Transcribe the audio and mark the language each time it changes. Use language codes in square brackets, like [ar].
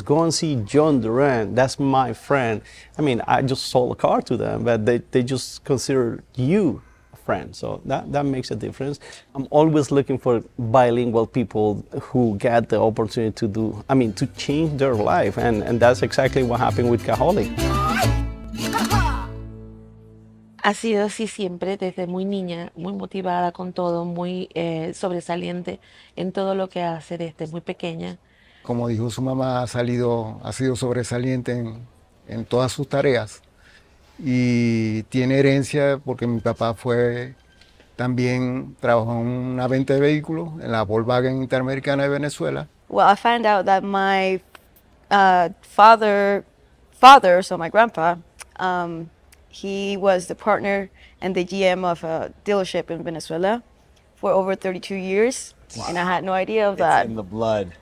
[en] Go and see John Duran. That's my friend. I mean, I just sold a car to them, but they just consider you friends. So that makes a difference. I'm always looking for bilingual people who get the opportunity to change their life. And that's exactly what happened with Kaholi. [es] Ha sido así siempre, desde muy niña, muy motivada con todo, muy sobresaliente en todo lo que hace desde muy pequeña. Como dijo su mamá, ha sido sobresaliente en todas sus tareas. Y tiene herencia porque mi papá fue También trabajo en una venta de vehículos en la Volkswagen Interamericana de Venezuela. [en] Well, I found out that my father, so my grandpa, he was the partner and the GM of a dealership in Venezuela for over 32 years. Wow. And I had no idea of that. It's in the blood.